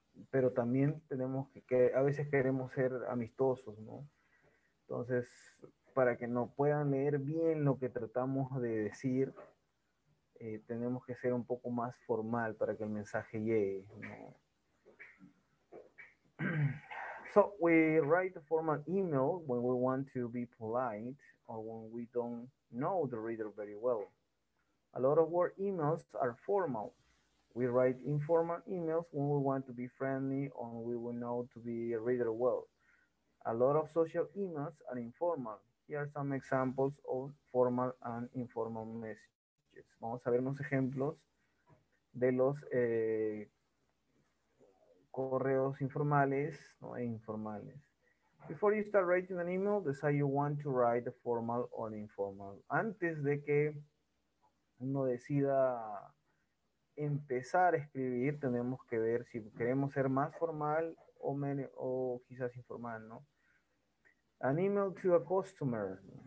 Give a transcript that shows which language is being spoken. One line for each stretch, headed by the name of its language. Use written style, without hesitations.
Spanish: Pero también tenemos que a veces queremos ser amistosos, ¿no? Entonces, para que nos puedan leer bien lo que tratamos de decir, tenemos que ser un poco más formal para que el mensaje llegue, ¿no?
English: So we write a formal email when we want to be polite or when we don't know the reader very well. A lot of our emails are formal. We write informal emails when we want to be friendly or we will know to be a reader well. A lot of social emails are informal. Here are some examples of formal and informal messages.
Spanish: Vamos a ver unos ejemplos de los correos informales, no informales.
English: Before you start writing an email, decide you want to write a formal or informal.
Spanish: Antes de que uno decida empezar a escribir, tenemos que ver si queremos ser más formal o menos, o quizás informal, ¿no?
English: An email to a customer.